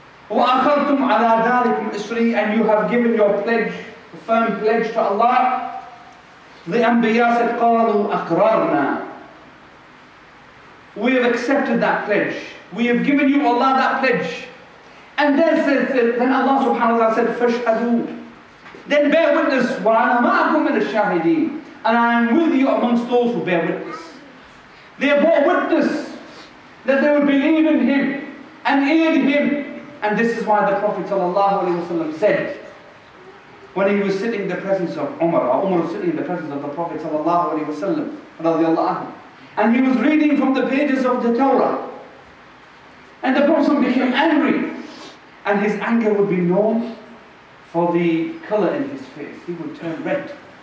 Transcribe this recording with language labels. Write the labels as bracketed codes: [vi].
[ar] وأخرتم على ذلك مصري, [en] and you have given your pledge, firm pledge to Allah. The Anbiya said, [ar] قالوا أقررنا. [en] We have accepted that pledge. We have given you, Allah, that pledge. And then Allah subhanahu wa ta'ala said, [ar] فاشهدوا. [en] Then bear witness, [ar] وأنا معكم من الشاهدين. [en] And I am with you amongst those who bear witness. They bore witness that they would believe in him and in him. And this is why the Prophet sallallahu alayhi wa sallam said, when he was sitting in the presence of Umar, or Umar was sitting in the presence of the Prophet sallallahu alayhi wa sallam, radiallahu anhu, and he was reading from the pages of the Torah, and the Prophet became angry, and his anger would be known for the color in his face. He would turn red.